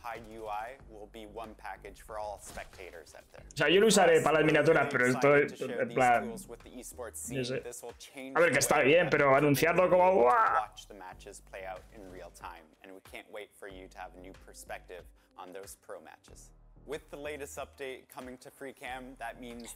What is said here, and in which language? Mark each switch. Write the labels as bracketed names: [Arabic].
[English] UI will be one package for all spectators out there. [Spanish] O sea, yo lo usaré para las miniaturas, pero esto en plan, no sé. A ver, que está bien, pero anunciarlo como [English] watch the matches play out in real time and we can't wait for you to have a new perspective on those pro matches. With the latest update coming to FreeCam, that means